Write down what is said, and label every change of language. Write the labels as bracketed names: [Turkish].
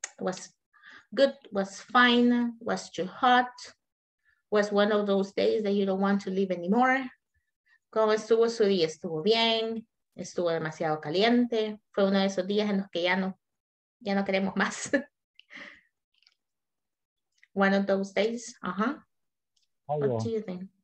[English] Was good, was fine, was too hot, was one of those days that you don't want to live anymore. [Spanish] ¿Cómo estuvo su día? ¿Estuvo bien? ¿Estuvo demasiado caliente? ¿Fue uno de esos días en los que ya no queremos más? [English] One of those days, What do you think?